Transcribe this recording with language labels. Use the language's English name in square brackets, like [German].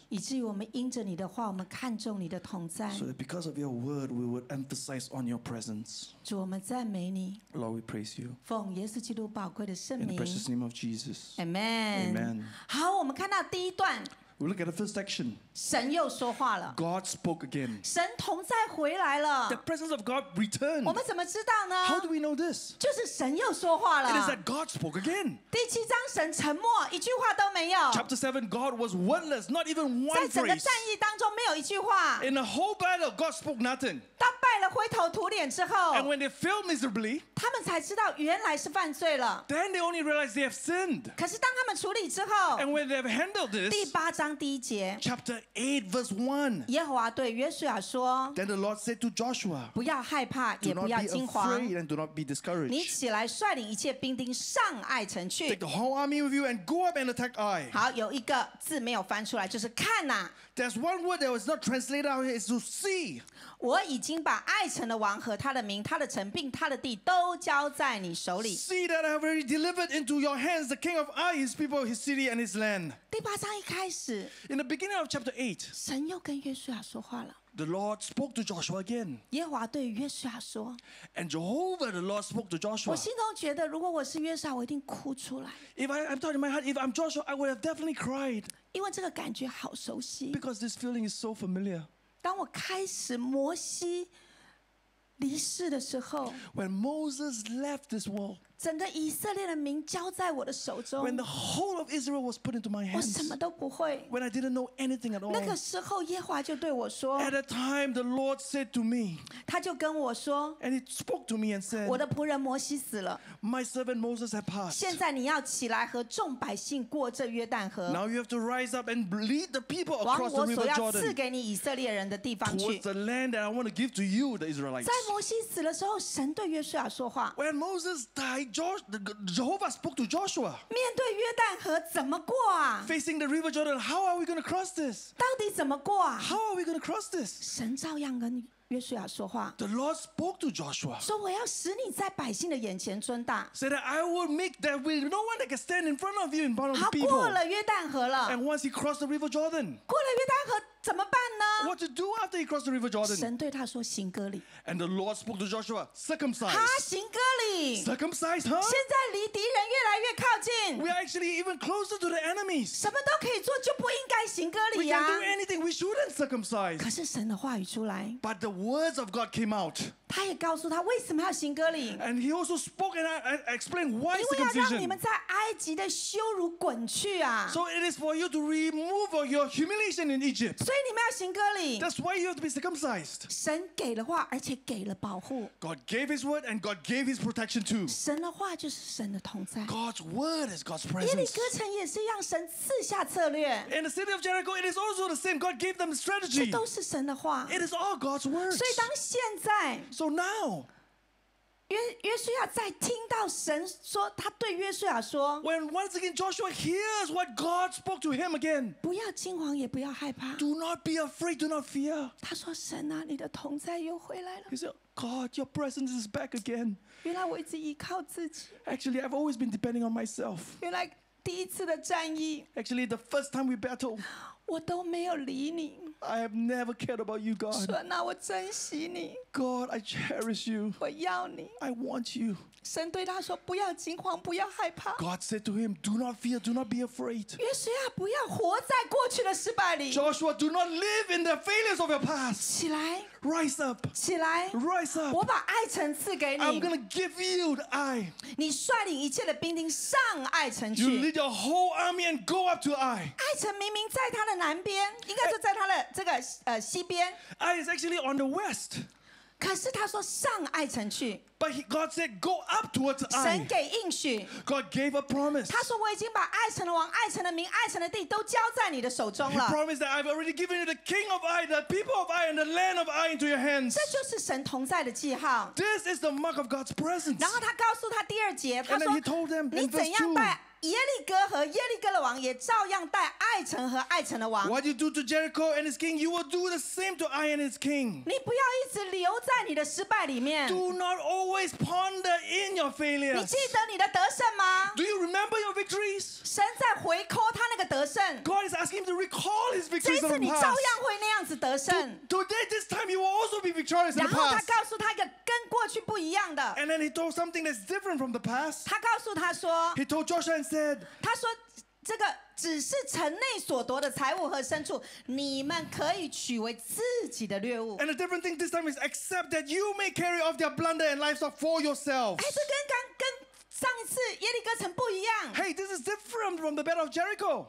[Chinese] 以至于我们因着你的话，我们看重你的同在 [English] ，so that because of your word we would emphasize on your presence。 [Chinese] 主，我们赞美你 [English] ，Lord we praise you， [Chinese] 奉耶稣基督宝贵的圣名 [English] ，in the precious name of Jesus， Amen， Amen。 [Chinese] 好，我们看到第一段。 [English] We look at the first section. [Chinese] 神又说话了。 [English] God spoke again. [Chinese] 神同在回来了。 [English] The presence of God returned. [Chinese] 我们怎么知道呢 [English] ？How do we know this? [Chinese] 就是神又说话了。 [English] It is that God spoke again. [Chinese] 第七章神沉默，一句话都没有。 [English] Chapter 7, God was wordless, not even one phrase. [Chinese] 在整个战役当中没有一句话。 [English] In the whole battle, God spoke nothing. [Chinese] 到败败了，灰头土脸之后 [English] ，and when they fail miserably， [Chinese] 他们才知道原来是犯罪了。 [English] Then they only realize they have sinned。 [Chinese] 可是当他们处理之后 [English] ，and when they have handled this， [Chinese] 第八章第一节 [English] ，chapter 8 verse 1， [Chinese] 耶和华对约书亚说 [English] ，then the Lord said to Joshua， [Chinese] 不要害怕，也不要惊慌 [English] ，do not be afraid and do not be discouraged。 [Chinese] 你起来率领一切兵丁上爱城去 [English] ，take the whole army with you and go up and attack Ai。 [Chinese] 好，有一个字没有翻出来，就是看呐。 [English] There's one word that was not translated out here is to see。 [Chinese] 我已经把爱城的王和他的民、他的城并他的地都交在你手里。 [English] See that I have already delivered into your hands the king of Ai, his people, his city, and his land。 [Chinese] 第八章一开始。 [English] In the beginning of chapter 8， [Chinese] 神又跟约书亚说话了。 [English] The Lord spoke to Joshua again. [Chinese] 耶和华对约书亚说。 [English] And Jehovah, the Lord spoke to Joshua. [Chinese] 我心中觉得，如果我是约书亚，我一定哭出来。 [English] If I'm talking in my heart, if I'm Joshua, I would have definitely cried. [Chinese] 因为这个感觉好熟悉。 [English] Because this feeling is so familiar. [Chinese] 当我开始摩西离世的时候 [English] ，When Moses left this world， [Chinese] 整个以色列的民交在我的手中 [English] ，When the whole of Israel was put into my hands， [Chinese] 我什么都不会 [English] ，When I didn't know anything at all， [Chinese] 那个时候耶和华就对我说 [English] ，At a time the Lord said to me， [Chinese] 他就跟我说 [English] ，And he spoke to me and said， [Chinese] 我的仆人摩西死了 [English] ，My servant Moses had passed， [Chinese] 现在你要起来和众百姓过这约旦河 [English] ，Now you have to rise up and lead the people across the river Jordan， [Chinese] 往我所要赐给你以色列人的地方去 [English] ，Towards the land that I want to give to you the Israelites。 [Chinese] 摩西死了之后，神对约书亚说话。 [English] When Moses died, Jehovah spoke to Joshua. [Chinese] 面对约旦河怎么过啊 [English] ？Facing the river Jordan, how are we going to cross this? [Chinese] 到底怎么过啊 [English] ？How are we going to cross this? [Chinese] 神照样跟约书亚说话。 [English] The Lord spoke to Joshua. [Chinese] 说我要使你在百姓的眼前尊大。 [English] Said that I will make that will no one that can stand in front of you in front of the people. [Chinese] 好，过了约旦河了。 [English] And once he crossed the river Jordan. [Chinese] 过了约旦河。怎么办呢 [English] ？What to do after he crossed the river Jordan？ [Chinese] 神对他说：“行割礼。 [English] ”And the Lord spoke to Joshua, circumcise. [Chinese] 他行割礼。 [English] Circumcise, huh？ [Chinese] 现在离敌人越来越靠近。 [English] We are actually even closer to the enemies. [Chinese] 什么都可以做，就不应该行割礼呀。 [English] We can do anything. We shouldn't circumcise. [Chinese] 可是神的话语出来。 [English] But the words of God came out. [Chinese] 他也告诉他为什么要行割礼。 [English] And he also spoke and explained why circumcision. [Chinese] 因为要让你们在埃及的羞辱滚去啊。 [English] So it is for you to remove your humiliation in Egypt. That's why you have to be circumcised. [Chinese] 神给了话，而且给了保护。 [English] God gave His word and God gave His protection too. [Chinese] 神的话就是神的同在。 [English] God's word is God's presence. [Chinese] 耶利哥城也是让神赐下策略。 [English] In the city of Jericho, it is also the same. God gave them strategy. [Chinese] 这都是神的话。 [English] It is all God's word. [Chinese] 所以当现在 [English] ，So now. [Chinese] 约书亚在听到神说，他对约书亚说 [English] ：“When once again Joshua hears what God spoke to him again， [Chinese] 不要惊慌，也不要害怕。 [English] Do not be afraid, do not fear。” [Chinese] 他说：“神啊，你的同在又回来了。 [English] ”He said, "God, your presence is back again." [Chinese] 原来我一直依靠自己。 [English] Actually, I've always been depending on myself. [Chinese] 原来第一次的战役。 [English] Actually, the first time we battled. [Chinese] 我都没有理你。 [English] I have never cared about you, God. [Chinese] 神啊，我珍惜你。 [English] God, I cherish you. [Chinese] 我要你。 [English] I want you. [Chinese] 神对他说：“不要惊慌，不要害怕。” [English] God said to him, "Do not fear, do not be afraid." [Chinese] 约书亚，不要活在过去的失败里。 [English] Joshua, do not live in the failures of your past. [Chinese] 起来。 [English] Rise up. [Chinese] 起来。 [English] Rise up. [Chinese] 我把爱城赐给你。 [English] I'm going to give you the Ai. [Chinese] 你率领一切的兵丁上爱城去。 [English] You lead your whole army and go up to Ai. [Chinese] 爱城明明在他的南边，应该说在他的这个西边。 [English] Ai is actually on the west. [Chinese] 可是他说上爱城去。 [English] But God said, "Go up towards Ai." [Chinese] 神给应许。 [English] God gave a promise. [Chinese] 他说我已经把爱城的王、爱城的民、爱城的地都交在你的手中了。 [English] He promised that I've already given you the king of Ai, the people of Ai, and the land of Ai into your hands. [Chinese] 这就是神同在的记号。 [English] This is the mark of God's presence. [Chinese] 然后他告诉他第二节，他说 [English] And then he told them, [Chinese] 你怎样办？耶利哥和耶利哥的王也照样待爱城和爱城的王。 [English] What you do to Jericho and its king, you will do the same to Ai and its king. [Chinese] 你不要一直留在你的失败里面。 [English] Do not always ponder in your failures. [Chinese] 你记得你的得胜吗 [English] ？Do you remember your victories? [Chinese] 神在回扣他那个得胜。 [English] God is asking him to recall his victories. [Chinese] 这次你照样会那样子得胜。 [English] Today, this time, you will also be victorious. [Chinese] 然后他告诉他一个跟过去不一样的。 [English] And then he told something that's different from the past. [Chinese] 他告诉他说。 [English] He told Joshua and said. [Chinese] 他说：“这个只是城内所夺的财物和牲畜，你们可以取为自己的掠物。” [English] And a different thing this time is except that you may carry off their plunder and livestock for yourselves. [Chinese] 哎，这跟刚跟上次耶利哥城不一样。 [English] Hey, this is different from the Battle of Jericho.